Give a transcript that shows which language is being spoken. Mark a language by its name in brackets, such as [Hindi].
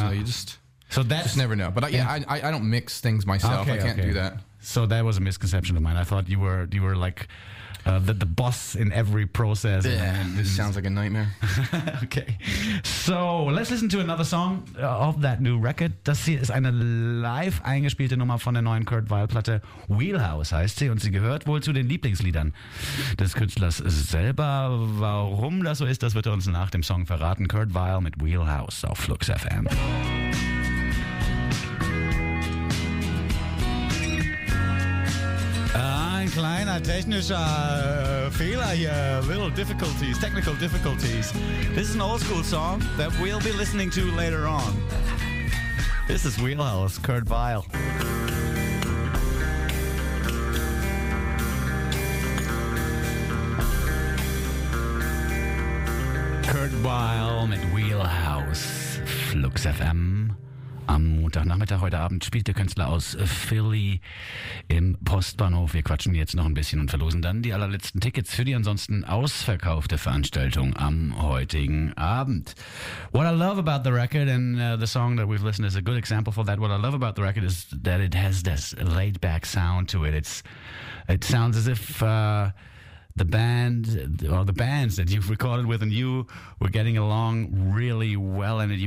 [English] So you just never know. But I don't mix things myself. I can't do that. So that was a misconception of mine. I thought you were like the boss in every process. This sounds like a nightmare. Okay. So let's listen to another song of that new record. [German] Das hier ist eine live eingespielte Nummer von der neuen Kurt Weill-Platte. Wheelhouse heißt sie, und sie gehört wohl zu den Lieblingsliedern des Künstlers selber. Warum das so ist, das wird er uns nach dem Song verraten. Kurt Weill mit Wheelhouse auf Flux FM. Ein kleiner technischer Fehler hier, [English] little difficulties, technical difficulties. This is an old school song that we'll be listening to later on. This is Wheelhouse, Kurt Weill. [German] Kurt Weill mit Wheelhouse, Flux FM. Am Montagnachmittag heute Abend spielt der Künstler aus Philly im Postbahnhof. Wir quatschen jetzt noch ein bisschen und verlosen dann die allerletzten Tickets für die ansonsten ausverkaufte Veranstaltung am heutigen Abend. [English] What I love about the record and the song that we've listened is a good example for that. What I love about the record is that it has this laid-back sound to it. It sounds as if the bands that you've recorded with and you were getting along really well in it.